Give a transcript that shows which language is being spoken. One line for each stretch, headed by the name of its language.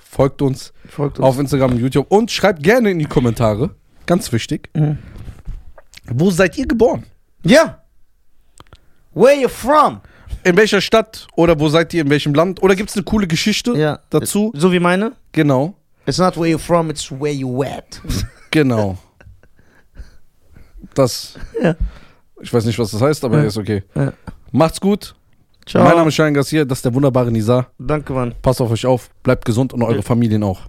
German: folgt uns auf Instagram und YouTube und schreibt gerne in die Kommentare, ganz wichtig, wo seid ihr geboren?
English: Ja, where you from?
German: In welcher Stadt oder wo seid ihr, in welchem Land? Oder gibt es eine coole Geschichte dazu? So wie meine? Genau.
English: It's not where you from, it's where you at.
German: Genau. Das, ja. Ich weiß nicht, was das heißt, aber ist okay. Ja. Macht's gut. Ciao. Mein Name ist Cheyenne Garcia, das ist der wunderbare Nisa. Danke, Mann. Passt auf euch auf, bleibt gesund und eure Familien auch.